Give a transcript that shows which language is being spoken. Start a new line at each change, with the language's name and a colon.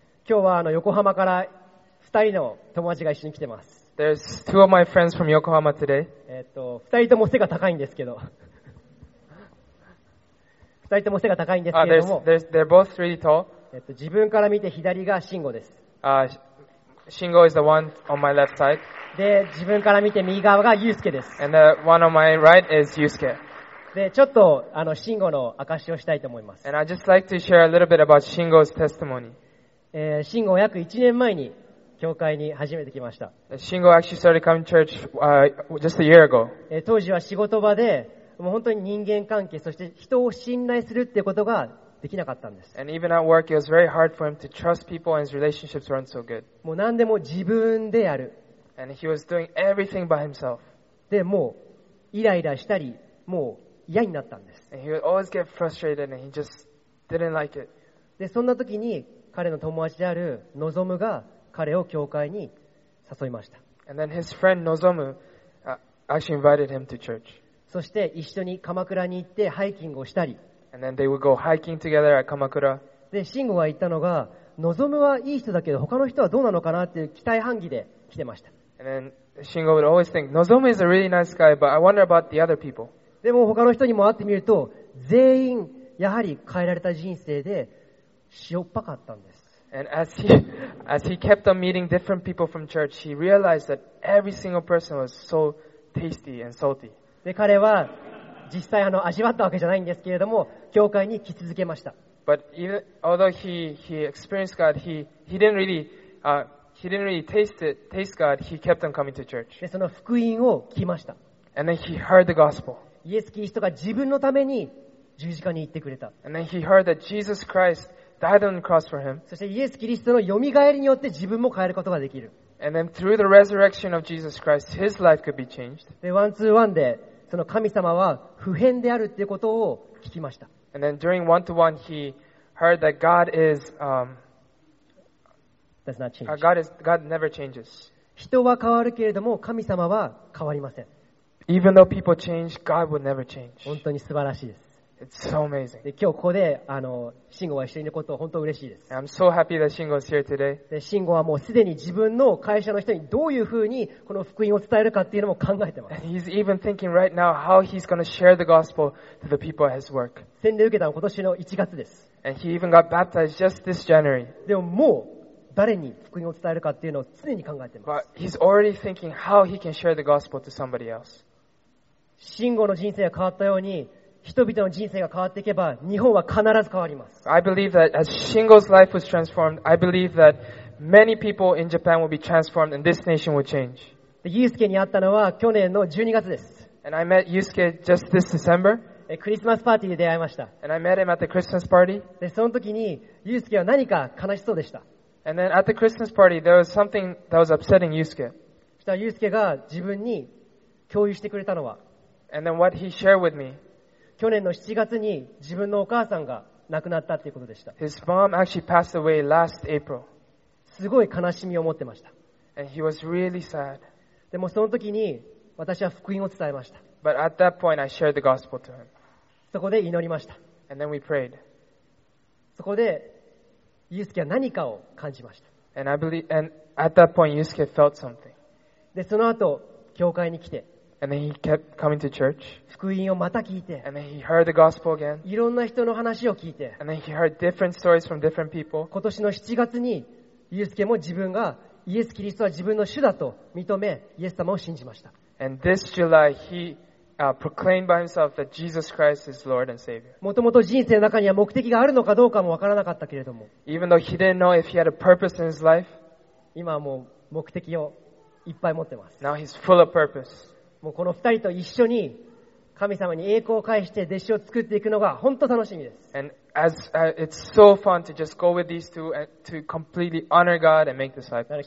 Japanese: 今日はあの横浜から2人の友達が一緒に来てます。
English: There's two of my friends from Yokohama today.
Japanese: 2人とも背が高いんですけど。 2人とも背が高いんですけれども。
English: They're both really tall.
Japanese: 自分から見て左が慎吾です。
English: Shingo is the one on my left side.
Japanese: で、自分から見て右側がユウスケです。
English: And the one on my right is Yusuke.
Japanese: で、ちょっとあの慎吾の証をしたいと思います。
English: And I'd just like to share a little bit about Shingo's testimony.
Japanese: 慎吾は約1年前に教会に初めて来ました。
English: Shingo actually started coming to church, just a year ago.
Japanese: 当時は仕事場で、もう本当に人間関係、そして人を信頼するっていうことができなかったんです。
English: And even at work, it was very hard for him to trust people and his relationships weren't so good.
Japanese: もう何でも自分でやる。
English: And he was doing everything by himself.
Japanese: で、もうイライラしたり、もう嫌になったんです。
English: And he would always get frustrated and he just didn't like it.
Japanese: で、そんな時に彼の友達であるのぞむが彼を教会に誘いました。
English: And then his friend Nozomu actually invited him to church.
Japanese: そして一緒に鎌倉に行ってハイキングをしたり。
English: And then they would go hiking together at 鎌倉。
Japanese: で、慎吾が言ったのが、のぞむはいい人だけど、他の人はどうなのかなっていう期待半疑で来てました。
English: And then Shingo would always think, Nozomu is a really nice guy, but I wonder about the other people.
Japanese: でも他の人にも会ってみると、全員やはり変えられた人生で塩っぱかったんです。
English: And as he kept on meeting different people from church, he realized that every single person was so tasty and salty.
Japanese: で、彼は実際あの味わったわけじゃないんですけれども、教会に来続けました。
English: But even, although he experienced God, he didn't really taste God, he kept on coming to church.
Japanese: で、その福音を聞きました。
English: And then he heard the gospel.
Japanese: イエス・キリストが自分のために十字架に行ってくれた。
English: And then he heard that Jesus Christ died on the cross for him.
Japanese: そしてイエス・キリストのよみがえりによって自分も変えることができる。
English: And then through the resurrection of Jesus Christ, his life could be changed.
Japanese: で、ワンツーワンで、その神様は不変であるということを聞きました。
English: And then during one-to-one, he heard that God is, does not change. God never changes.
Japanese: 人は変わるけれども、神様は変わりません。
English: Even though people change, God will never change.
Japanese: 本当に素晴らしいです。
English: It's so amazing.
Japanese: で、今日ここで、慎吾は一緒にいることを本当に嬉しいです。
English: I'm so happy that Shingo is here today.
Japanese: で、慎吾はもうすでに自分の会社の人にどういうふうにこの福音を伝えるかっていうのも考えてます。
English: And he's even thinking right now how he's going to share the gospel to the people at his work.
Japanese: 洗礼受けたのは今年の1月です。
English: And he even got baptized just this January.
Japanese: でももう誰に福音を伝えるかっていうのを常に考えてます。
English: But he's already thinking how he can share the gospel to somebody else.
Japanese: 慎吾の人生が変わったように人々の人生が変わっていけば、日本は必ず変わります。
English: I believe that as Shingo's life was transformed, I believe that many people in Japan will be transformed and this nation will change.
Japanese: で、ユースケに会ったのは去年の12月です。
English: And I met Yusuke just this December.
Japanese: クリスマスパーティーで出会いました。
English: And I met him at the Christmas party.
Japanese: で、その時にユースケは何か悲しそうでした。
English: And then at the Christmas party, there was something that was upsetting Yusuke.
Japanese: そしたらユースケが自分に共有してくれたのは。
English: And then what he shared with me.
Japanese: 去年の7月に自分のお母さんが亡くなったということでした。
English: His mom actually passed away last April.
Japanese: すごい悲しみを持ってました。
English: And he was really sad.
Japanese: でもその時に私は福音を伝えました。
English: But at that point I shared the gospel to him.
Japanese: そこで祈りました。
English: And then we prayed.
Japanese: そこでユウスケは何かを感じました。
English: And I believe, and at that point Yusuke felt something.
Japanese: でその後教会に来て。
English: And then he kept coming to church.
Japanese: 福音をまた聞いて。
English: And then he heard the gospel again.
Japanese: いろんな人の話を聞いて。
English: And then he heard different stories from different people.
Japanese: 今年の7月に、ユウスケも自分がイエス・キリストは自分の主だと認め、イエス様を信じました。
English: And this July, he proclaimed by himself that Jesus Christ is Lord and Savior.
Japanese: もともと人生の中には目的があるのかどうかもわからなかったけれども。
English: Even though he didn't know if he had a purpose in his life.
Japanese: 今はもう目的をいっぱい持ってます。
English: Now he's full of purpose.
Japanese: もうこの二人と一緒に神様に栄光を返して弟子を作っていくのが本当楽しみです。
English: And as, it's so fun to just go with these two and to completely honor God and make disciples.